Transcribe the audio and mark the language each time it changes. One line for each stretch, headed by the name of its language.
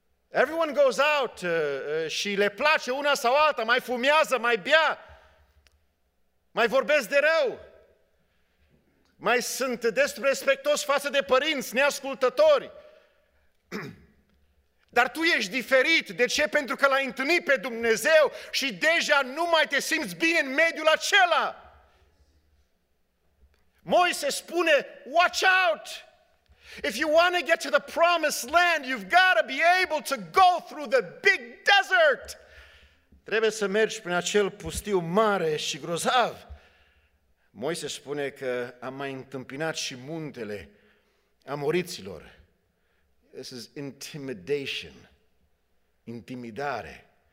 English: Everyone goes out
Romanian: și le place una sau alta, mai fumează, mai bea, mai vorbesc de rău, mai sunt disrespectos față de părinți, neascultători. Dar tu ești diferit. De ce? Pentru că l-ai întâlnit pe Dumnezeu și deja nu mai te simți bine în mediul acela. Moise spune,
English: watch out! If you want to get to the promised land, you've got to be able to go through the big desert.
Romanian: Trebuie să mergi prin acel pustiu mare și grozav. Moise spune că am mai întâmpinat și muntele amoriților.
English: This is intimidation, intimidare.